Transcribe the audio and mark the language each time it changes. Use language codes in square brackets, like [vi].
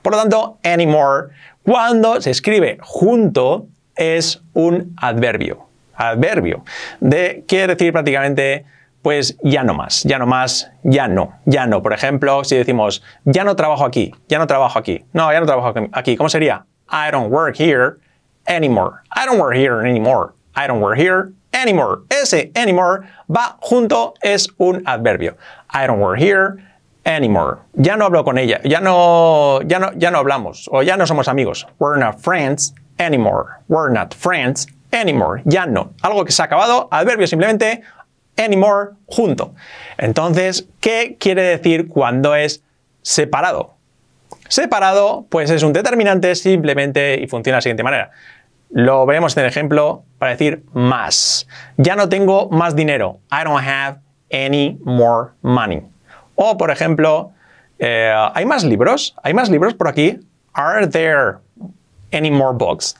[es] Por lo tanto, anymore, cuando se escribe junto, es un adverbio. Adverbio. De, quiere decir prácticamente, pues ya no más, ya no más, ya no, ya no. Por ejemplo, si decimos, ya no trabajo aquí, ya no trabajo aquí. No, ya no trabajo aquí. ¿Cómo sería? [en] I don't work here anymore. I don't work here anymore. I don't work here anymore. [es] Ese anymore va junto, es un adverbio. [en] I don't work here anymore. [es] Ya no hablo con ella, ya no hablamos o ya no somos amigos. [en] We're not friends anymore. We're not friends anymore. [es] Ya no. Algo que se ha acabado, adverbio simplemente. Anymore, junto. Entonces, ¿qué quiere decir cuando es separado? Separado, pues es un determinante simplemente y funciona de la siguiente manera. Lo veremos en el ejemplo para decir más. Ya no tengo más dinero. [en] I don't have any more money. [es] O, por ejemplo, ¿hay más libros? ¿Hay más libros por aquí? [en] Are there any more books?